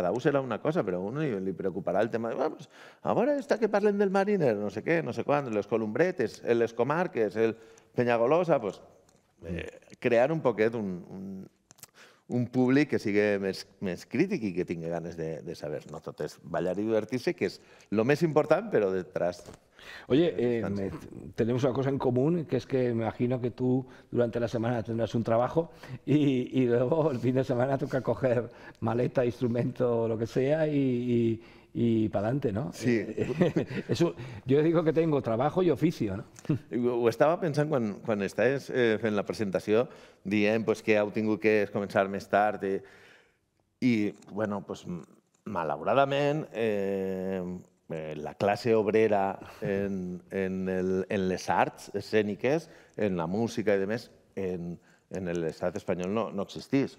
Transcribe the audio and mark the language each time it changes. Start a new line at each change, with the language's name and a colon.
Catalan: Cada un serà una cosa, però a un li preocuparà el tema de vamos, a veure, està que parlem del mariner, no sé què, no sé quan, les columbretes, les comarques, el Peñagolosa, pues, crear un poquet un públic que sigui més crític i que tingui ganes de saber. No tot és ballar i divertir-se, que és el més important, però detrás.
Spanish: Oye, tenemos una cosa en común, que es que me imagino que tú durante la semana tendrás un trabajo y luego el fin de semana toca coger maleta, instrumento, lo que sea y para adelante, ¿no? Sí. Yo digo que tengo trabajo y oficio, ¿no?
Catalan: Ho estava pensant quan estàs fent la presentació, dient pues, que heu tingut que començar més tard i bueno, pues, malauradament, la classe obrera en les arts escèniques, en la música i demés, en l'estat espanyol no existís.